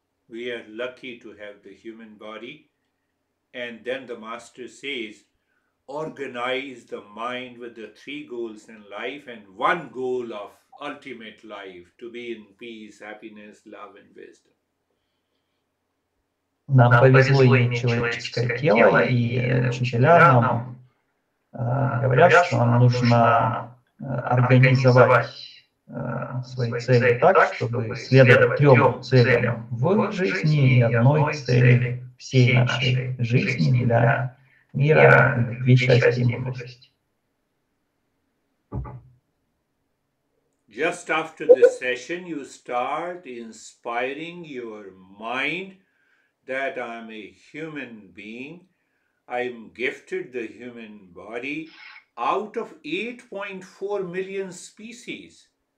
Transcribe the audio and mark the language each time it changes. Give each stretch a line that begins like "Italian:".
English: We are lucky to have the human body. And then the master says, organize the mind with the three goals in life and one goal of ultimate life, to be in peace, happiness, love and wisdom.
Russian: Нам повезло иметь человеческое тело, и учителя нам говорят, что нам нужно организовать свои цели так, чтобы следовать трем целям в жизни и одной цели всей нашей жизни для мира, любви, счастья и мудрости.
English: Just after the session you start inspiring your mind that I'm a human being, I'm gifted the human body out of 8.4 million species.